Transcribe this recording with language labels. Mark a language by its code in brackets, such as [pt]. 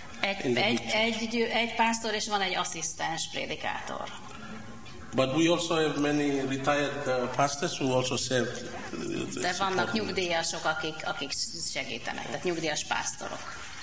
[hu] Egy pastor és van egy asszisztens prédikátor. [en] But we also have many retired pastors who also serve. [hu] De vannak nyugdíjasok, akik segítenek, tehát nyugdíjas pásztorok.